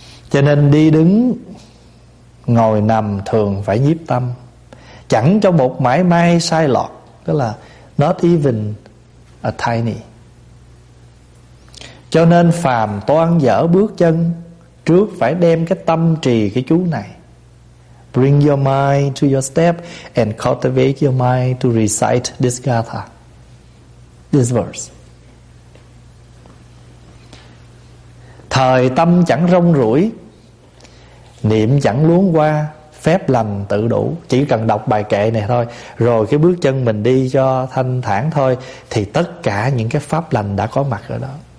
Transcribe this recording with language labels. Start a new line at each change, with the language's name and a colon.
Vietnamese: Cho nên đi đứng ngồi nằm thường phải nhiếp tâm, chẳng cho một mảy may sai lọt, tức là
English: not even a tiny.
Vietnamese: Cho nên phàm toan dở bước chân, trước phải đem cái tâm trì cái chú này.
English: Bring your mind to your step and cultivate your mind to recite this gatha, this verse.
Vietnamese: Thời tâm chẳng rong ruổi, niệm chẳng luống qua, phép lành tự đủ. Chỉ cần đọc bài kệ này thôi, rồi cái bước chân mình đi cho thanh thản thôi, thì tất cả những cái pháp lành đã có mặt ở đó.